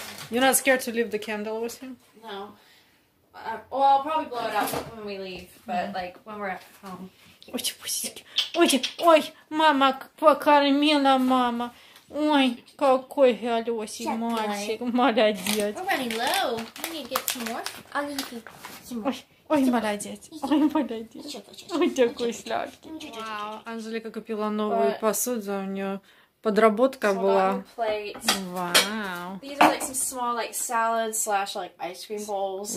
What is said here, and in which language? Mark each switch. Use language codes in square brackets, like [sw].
[en] You're not scared to leave the candle with him? No. Well, I'll probably blow it out when we leave, but like when we're at home. [ru] Ой, пусики. Ой, мама покормила мама. Ой, какой хорошенький мальчик, молодец. [en] We're running low. We need to get some more. I'll give you some more. [ru] Ой, молодец. Ой, такой сладкий. Вау, Анжелика купила новую посуду, у нее подработка была. Вау. [en] These are like some small like salad slash like ice cream bowls.